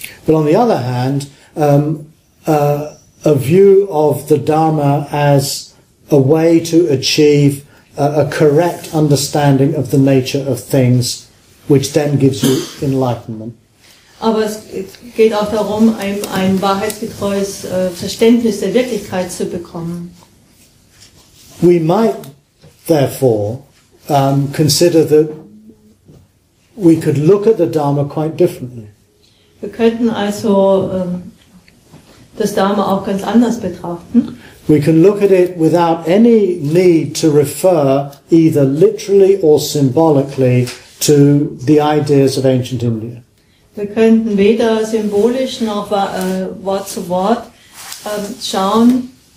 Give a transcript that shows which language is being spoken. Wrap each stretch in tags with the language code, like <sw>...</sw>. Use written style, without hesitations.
<en>But on the other hand, a view of the Dharma as a way to achieve a correct understanding of the nature of things, which then gives you enlightenment.</en> <de>Aber es geht auch darum, ein wahrheitsgetreues Verständnis der Wirklichkeit zu bekommen.</de> <en>We might therefore consider that we could look at the Dharma quite differently.</en> <de>Wir könnten also das Dharma auch ganz anders betrachten.</de> <en>We can look at it without any need to refer either literally or symbolically to the ideas of ancient India.</en> <de>Wir könnten weder symbolisch noch Wort zu Wort schauen.</de>